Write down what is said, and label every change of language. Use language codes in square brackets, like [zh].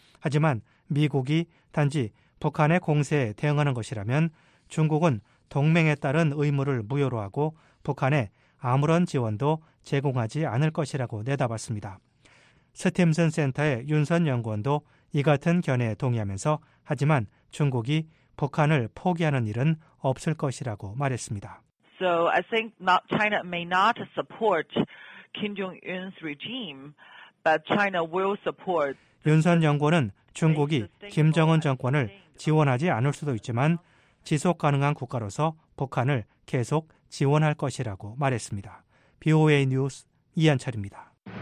[ko] 하지만 미국이 단지 북한의 공세에 대응하는 것이라면 중국은 동맹에 따른 의무를 무효로 하고 북한에 아무런 지원도 제공하지 않을 것이라고 내다봤습니다. 스팀슨 센터의 윤선 연구원도 이 같은 견해에 동의하면서 하지만 중국이 북한을 포기하는 일은 없을 것이라고 말했습니다. [en] So I think not China may not support Kim Jong-un's regime, but China will support. [ko] 윤선 연구원은 중국이 김정은 정권을 지원하지 않을 수도 있지만 지속 가능한 국가로서 북한을 계속 지원할 것이라고 말했습니다. BOA 뉴스 이한철입니다.